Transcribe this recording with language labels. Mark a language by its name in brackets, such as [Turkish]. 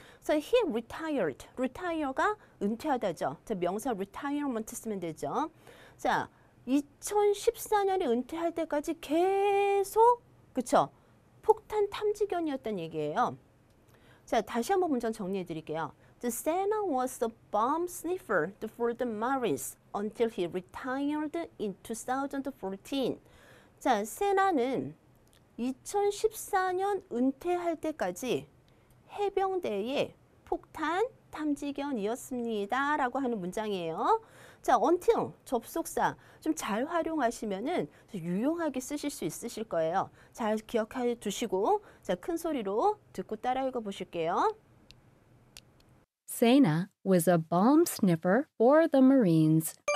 [English] So he retired. [Korean] Retire가 은퇴하다죠. 자, 명사 retirement 쓰면 되죠. 자, 2014년에 은퇴할 때까지 계속 폭탄 탐지견이었던 얘기예요. 자, 다시 한번 문장 정리해 드릴게요. [English] The Santa was a bomb sniffer for the Marines until he retired in 2014. [Korean] 자, 세나는 2014년 은퇴할 때까지 해병대의 폭탄 탐지견이었습니다. 라고 하는 문장이에요. 자, until, 접속사. 좀 잘 활용하시면은 유용하게 쓰실 수 있으실 거예요. 잘 기억해 두시고, 자, 큰 소리로 듣고 따라 읽어 보실게요. [English] Sena was a bomb sniffer for the Marines.